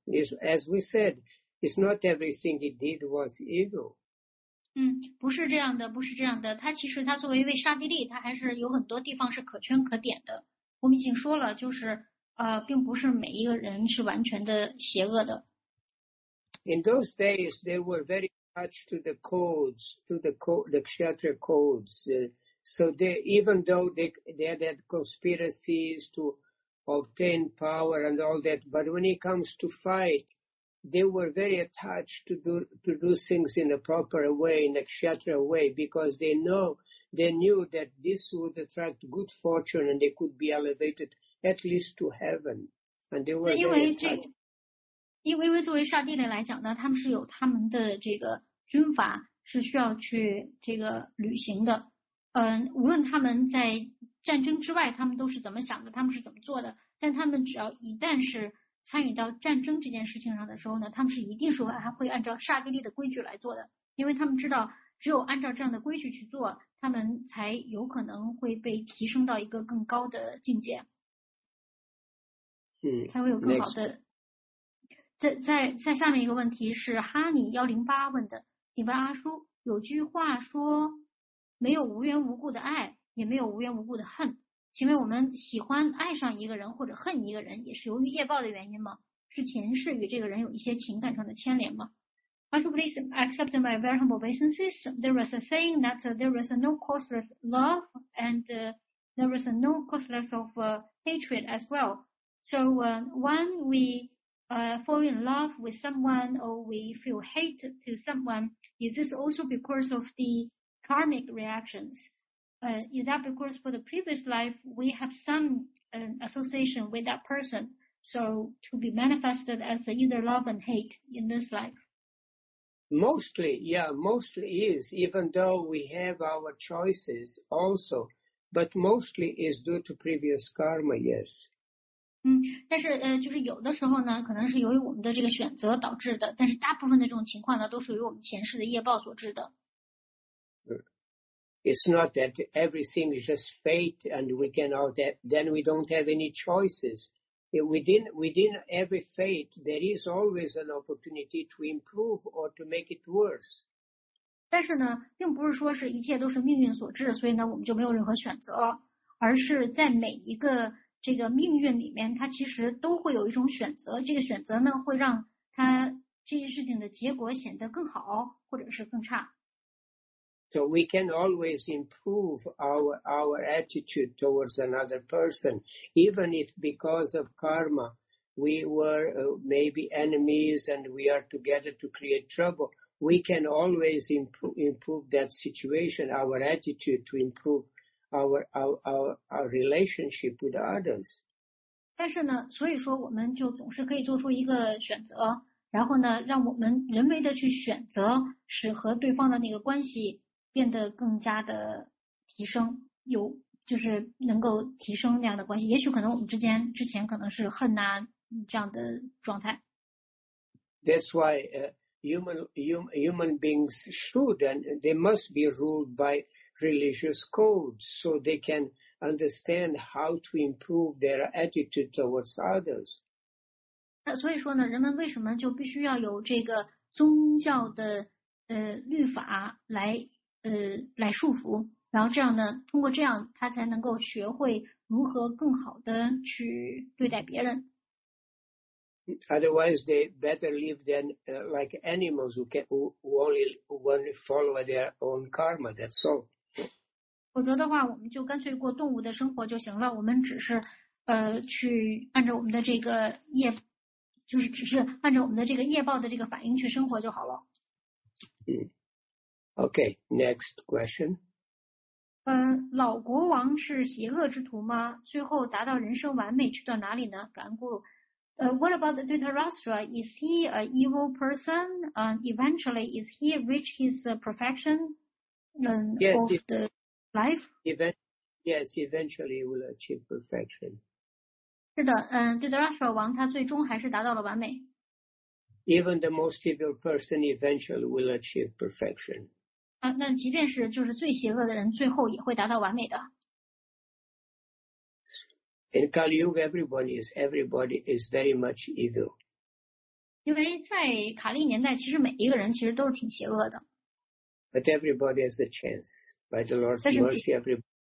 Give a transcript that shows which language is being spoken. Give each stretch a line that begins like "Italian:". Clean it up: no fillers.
English: It's, as we said, it's not everything he did was evil.
Chinese: 不是这样的，不是这样的。他其实他作为一位刹帝利，他还是有很多地方是可圈可点的。我们已经说了，就是。并不是每一个人是完全的邪恶的。
English: In those days, they were very much to the codes, to the Kshatriya codes. So they, even though they had had conspiracies to obtain power and all that, but when it comes to fight, they were very attached to do things in a proper way, in a Kshatriya way, because they knew that this would attract good fortune and they could be elevated. At least to heaven, and they were very attached.
Chinese: 因为作为刹帝利来讲呢，他们是有他们的这个军阀是需要去这个履行的。无论他们在战争之外，他们都是怎么想的，他们是怎么做的。但他们只要一旦是参与到战争这件事情上的时候呢，他们是一定是会按照刹帝利的规矩来做的，因为他们知道只有按照这样的规矩去做，他们才有可能会被提升到一个更高的境界。才会有更好的。在下面一个问题是哈尼108问的，请问阿叔，有句话说没有无缘无故的爱，也没有无缘无故的恨，请问我们喜欢爱上一个人或者恨一个人也是由于业报的原因吗？是前世与这个人有一些情感上的牵连吗？
English: Also, please accept my very humble obeisances. There is a saying that there is no causeless love and there is no causeless of hatred as well. So when we fall in love with someone or we feel hate to someone, is this also because of the karmic reactions? Is that because for the previous life we have some association with that person? So to be manifested as either love and hate in this life? Mostly, yeah, mostly is, even though we have our choices also, but mostly is due to previous karma, yes.
Chinese: 但是就是有的时候呢，可能是由于我们的这个选择导致的，但是大部分的这种情况呢，都属于我们前世的业报所致的。
English: It's not that everything is just fate and we can all that, then we don't have any choices. Within every fate, there is always an opportunity to improve or to make it worse.
Chinese: 但是呢，并不是说是一切都是命运所致，所以呢，我们就没有任何选择，而是在每一个这个命运里面，它其实都会有一种选择。这个选择呢，会让它这件事情的结果显得更好，或者是更差。
English: So we can always improve our attitude towards another person, even if because of karma we were maybe enemies and we are together to create trouble. We can always improve that situation, our attitude to improve our relationship with others.
Chinese: 但是呢，所以说我们就总是可以做出一个选择，然后呢，让我们人为的去选择，使和对方的那个关系变得更加的提升，有就是能够提升那样的关系。也许可能我们之间之前可能是恨啊这样的状态。
English: That's why human beings should and they must be ruled by religious codes so they can understand how to improve their attitude towards others.
Chinese: 那所以说呢，人们为什么就必须要有这个宗教的律法来束缚，然后这样呢，通过这样他才能够学会如何更好的去对待别人。
English: Otherwise, they better live than like animals who only follow their own karma. That's all.
Chinese: 否则的话，我们就干脆过动物的生活就行了。我们只是去按照我们的这个业，就是只是按照我们的这个业报的这个反应去生活就好了。
English: 嗯。Okay, next question.
Chinese: 老国王是邪恶之徒吗？最后达到人生完美去到哪里呢？感恩
English: guru. What about the Dhritarashtra? Is he an evil person? Eventually, is he reach his perfection of the life? Yes, eventually he will achieve perfection.
Chinese: 是的，Dhritarashtra 王他最终还是达到了完美。
English: Even the most evil person eventually will achieve perfection.
Chinese: 那即便是就是最邪恶的人最后也会达到完美的。
English: In Kali Yuga, everybody is very much evil.
Chinese: 因为在卡利年代其实每一个人其实都是挺邪恶的。
English: But everybody has a chance. By the Lord's mercy, everybody.